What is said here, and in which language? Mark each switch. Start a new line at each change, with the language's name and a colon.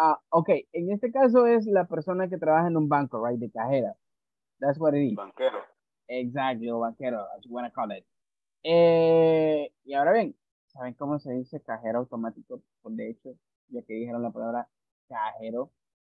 Spanish: Okay, en este caso es la persona que trabaja en un banco, right, de cajera.
English: That's what it is.
Spanish: Banquero.
English: Exactly, banquero, as you want to call it.
Spanish: Y ahora bien, ¿saben cómo se dice cajero automático? Pues de hecho, ya que dijeron la palabra cajero.